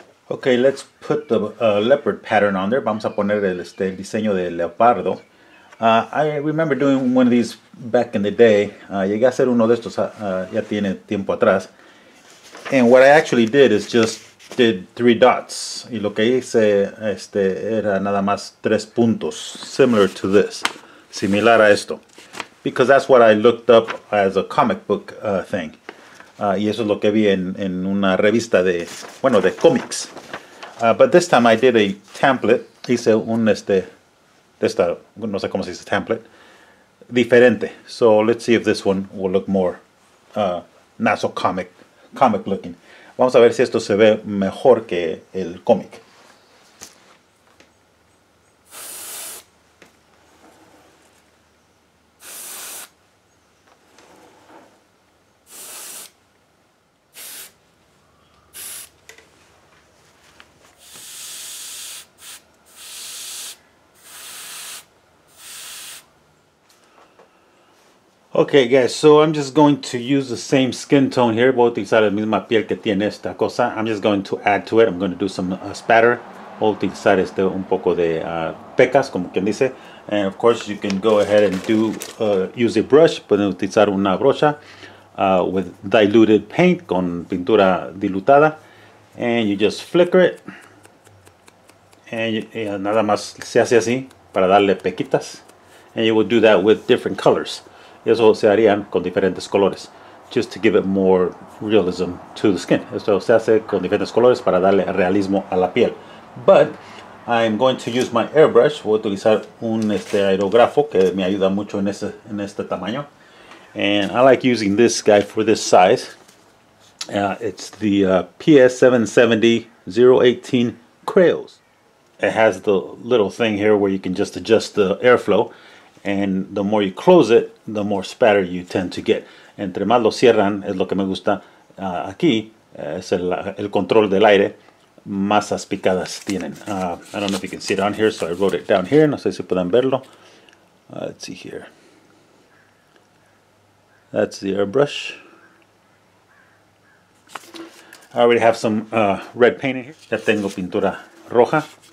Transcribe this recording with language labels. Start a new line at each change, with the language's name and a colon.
English: Okay, let's put the leopard pattern on there.
Spanish: Vamos a poner el diseño de leopardo.
English: I remember doing one of these back in the day.
Spanish: Llegué a hacer uno de estos ya tiene tiempo atrás.
English: And what I actually did is just did three dots.
Spanish: Y lo que hice era nada más tres puntos,
English: similar to this,
Spanish: similar a esto.
English: Because that's what I looked up as a comic book thing.
Spanish: Y eso es lo que vi en una revista de, bueno, de cómics.
English: But this time I did a template.
Spanish: Hice un no sé cómo se dice
English: template.
Spanish: Diferente.
English: So let's see if this one will look more not so comic looking.
Spanish: Vamos a ver si esto se ve mejor que el cómic.
English: Okay, guys, so I'm just going to use the same skin tone here.
Spanish: Voy a utilizar la misma piel que tiene esta cosa.
English: I'm just going to add to it. I'm going to do some spatter.
Spanish: Voy a utilizar un poco de pecas, como quien dice.
English: And, of course, you can go ahead and do use a brush.
Spanish: Pueden utilizar una brocha
English: with diluted paint,
Spanish: con pintura dilutada.
English: And you just flicker it. And
Spanish: nada más se hace así para darle pequitas.
English: And you will do that with different colors.
Spanish: Eso se harían con diferentes colores,
English: just to give it more realism to the skin. Esto se hace con diferentes colores para darle realismo a la piel. But I'm going to use my airbrush.
Spanish: Voy a utilizar un aerógrafo que me ayuda mucho en este tamaño.
English: And I like using this guy for this size. It's the PS770-018 Crayons. It has the little thing here where you can just adjust the airflow. And the more you close it, the more spatter you tend to get.
Spanish: Entre más lo cierran, es lo que me gusta aquí, es el control del aire, más aspicadas tienen.
English: I don't know if you can see it on here, so I wrote it down here.
Spanish: No sé si pueden verlo.
English: Let's see here. That's the airbrush. I already have some red paint in here.
Spanish: Ya tengo pintura roja.